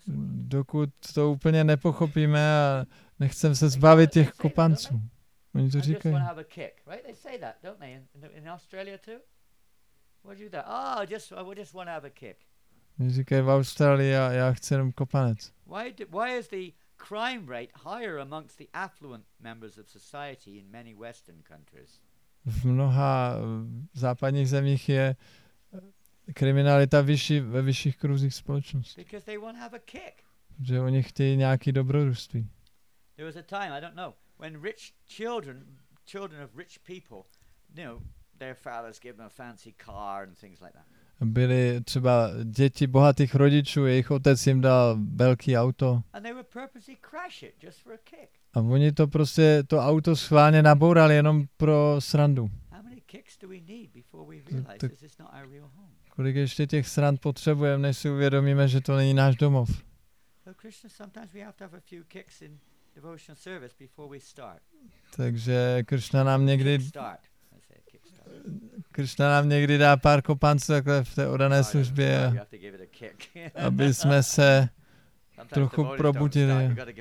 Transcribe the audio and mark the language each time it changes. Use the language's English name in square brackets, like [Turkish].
[Czech] Dokud to úplně nepochopíme a nechcem se zbavit těch kopanců. Oni to říkají. [English] Just want to have a kick, right? They say that, don't they? In Australia too? What do you do? Oh, I just want to have a kick. [Czech] Oni říkají v Austrálii, já chci jenom kopanec. [English] Why is the crime rate higher amongst the affluent members of society in many Western countries? [Czech] V mnoha západních zemích je kriminalita vyšší ve vyšších kruzích společnosti. [English] Because they want to have a kick. [Czech] Že oni chtějí nějaký dobrodružství. [English] There was a time, I don't know, when rich children of rich people, you know, their fathers give them a fancy car and things like that. [Czech] Byli třeba děti bohatých rodičů, jejich otec jim dal velký auto. [English] And they would purposely crash it just for a kick. [Czech] A oni to prostě to auto schválně nabourali jenom pro srandu. [English] How many kicks do we need before we realize this is not our real home? [Czech] Kolik ještě těch srand potřebujeme, než si uvědomíme, že to není náš domov. [English] So Krishna, sometimes we have to have a few kicks in devotional service before we start. [Czech] Takže Krishna nám někdy dá pár kopanců takhle v té oddané službě, aby jsme se trochu probudili.